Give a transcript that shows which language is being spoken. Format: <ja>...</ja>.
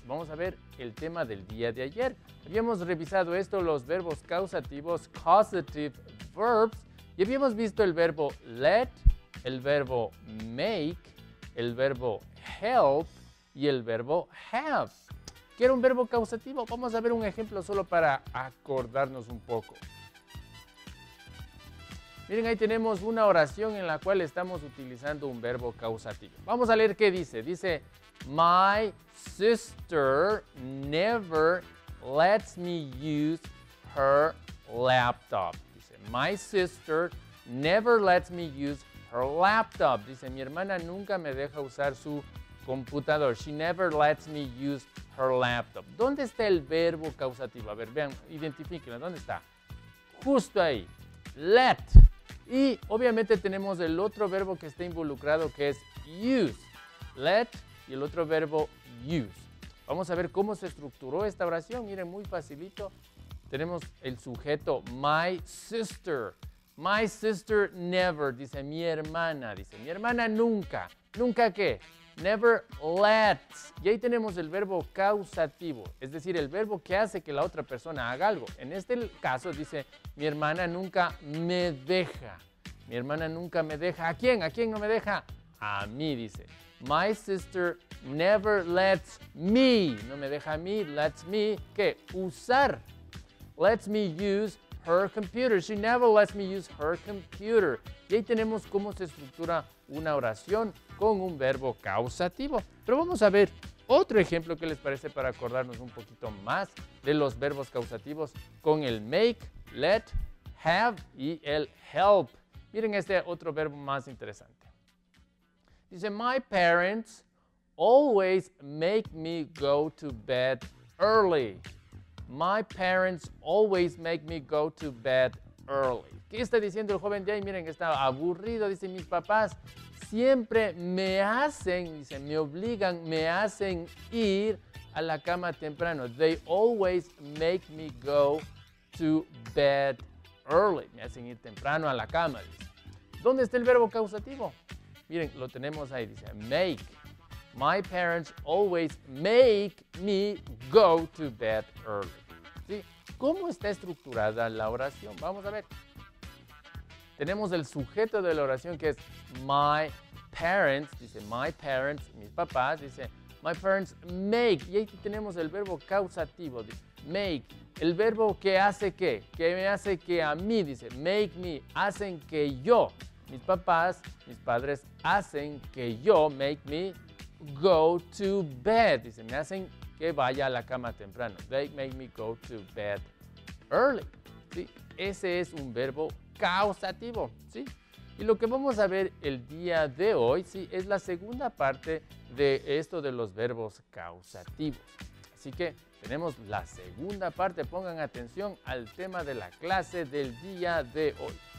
<es>Vamos a ver el tema del día de ayer. Habíamos revisado esto, los verbos causativos,</es> <en>causative verbs,</en> <es>y habíamos visto el verbo let, el verbo make, el verbo help y el verbo have. ¿Qué era un verbo causativo? Vamos a ver un ejemplo solo para acordarnos un poco. Miren, ahí tenemos una oración en la cual estamos utilizando un verbo causativo. Vamos a leer qué dice. Dice,</es> <en>my sister never lets me use her laptop. Dice, my sister never lets me use her laptop.</en> <es>Dice, mi hermana nunca me deja usar su computador.</es> <en>She never lets me use her laptop.</en> <es>¿Dónde está el verbo causativo? A ver, vean, identifíquenlo. ¿Dónde está? Justo ahí. Let. Y obviamente tenemos el otro verbo que está involucrado que es use. Let y el otro verbo use. Vamos a ver cómo se estructuró esta oración. Miren, muy facilito. Tenemos el sujeto</es> <en>my sister. My sister never.</en> <es>Dice mi hermana. Dice mi hermana nunca. ¿Nunca qué?</es> <en>Never lets.</en> <es>Y ahí tenemos el verbo causativo. Es decir, el verbo que hace que la otra persona haga algo. En este caso dice, mi hermana nunca me deja. Mi hermana nunca me deja. ¿A quién? ¿A quién no me deja? A mí, dice.</es> <en>My sister never lets me.</en> <es>No me deja a mí.</es> <en>Lets me,</en> <es>¿qué? Usar.</es> <en>Lets me use her computer. She never lets me use her computer.</en> <es>Y ahí tenemos cómo se estructura una oración con un verbo causativo. Pero vamos a ver otro ejemplo que les parece para acordarnos un poquito más de los verbos causativos con el make, let, have y el help. Miren este otro verbo más interesante.</es> <en>Dice, my parents always make me go to bed early. My parents always make me go to bed early.</en> <es>¿Qué está diciendo el joven de ahí? Miren, está aburrido. Dice, mis papás siempre me hacen, dice, me obligan, me hacen ir a la cama temprano.</es> <en>They always make me go to bed early.</en> <es>Me hacen ir temprano a la cama, dice. ¿Dónde está el verbo causativo? Miren, lo tenemos ahí, dice, make.</es> <en>My parents always make me go to bed early.</en> <es>¿Sí? ¿Cómo está estructurada la oración? Vamos a ver. Tenemos el sujeto de la oración que es</es> <en>my parents,</en> <es>dice my parents, mis papás, dice my parents make. Y ahí tenemos el verbo causativo, dice make. El verbo que hace qué, que me hace que a mí, dice make me, hacen que yo, mis papás, mis padres hacen que yo,</es> <en>make me go to bed.</en> <es>Dice, me hacen que vaya a la cama temprano.</es> <en>They make me go to bed early.</en> <es>¿Sí? Ese es un verbo causativo, ¿sí? Y lo que vamos a ver el día de hoy, ¿sí? Es la segunda parte de esto de los verbos causativos. Así que tenemos la segunda parte. Pongan atención al tema de la clase del día de hoy.</es>